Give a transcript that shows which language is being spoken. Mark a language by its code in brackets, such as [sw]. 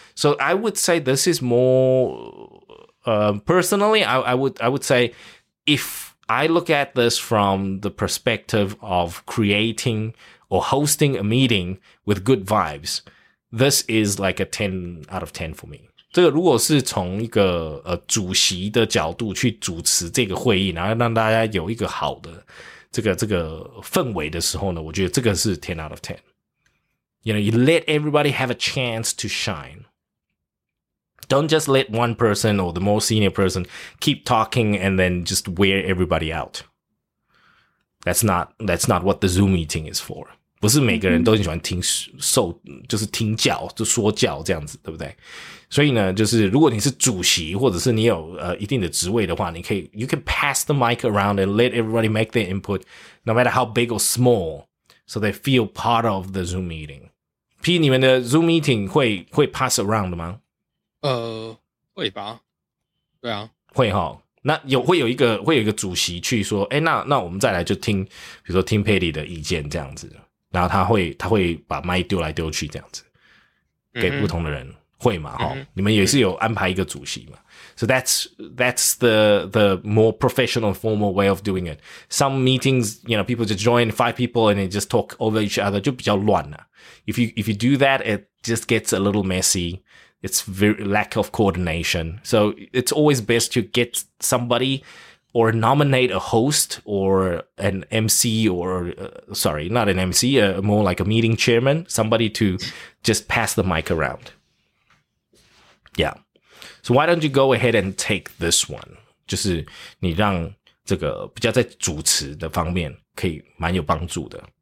[en] So I would say this is more, personally, I would say if I look at this from the perspective of creating or hosting a meeting with good vibes,This is like a 10 out of 10 for me. [zh] 这个如果是从一个主席的角度去主持这个会议，然后让大家有一个好的这个氛围的时候呢，我觉得这个是 [en] 10 out of 10. You know, you let everybody have a chance to shine. Don't just let one person or the more senior person keep talking and then just wear everybody out. That's not what the Zoom meeting is for. [zh] 不是每个人都很喜欢听受，就是听教，就说教这样子，对不对？所以呢，就是如果你是主席，或者是你有一定的职位的话，你可以 [en] you can pass the mic around and let everybody make their input, no matter how big or small, so they feel part of the Zoom meeting. [zh] P, 你们的 Zoom meeting 会 [en] pass around [zh] 吗？会吧。对啊，会哈。那会有一个主席去说，那我们再来就听，比如说听 Patty 的意见这样子。然后他会把麦丢来丢去这样子，给不同的人、会嘛、mm-hmm. 哦、你们也是有安排一个主席嘛。 [en] So that's the more professional, formal way of doing it. Some meetings, you know, people just join five people and they just talk over each other, [zh] 就比较乱了。 [en] If you do that, it just gets a little messy. It's very lack of coordination. So it's always best to get somebody or nominate a host or an MC or, sorry, not an MC, more like a meeting chairman, somebody to just pass the mic around. Yeah. So why don't you go ahead and take this one? [zh] 就是你让这个比较在主持的方面可以蛮有帮助的。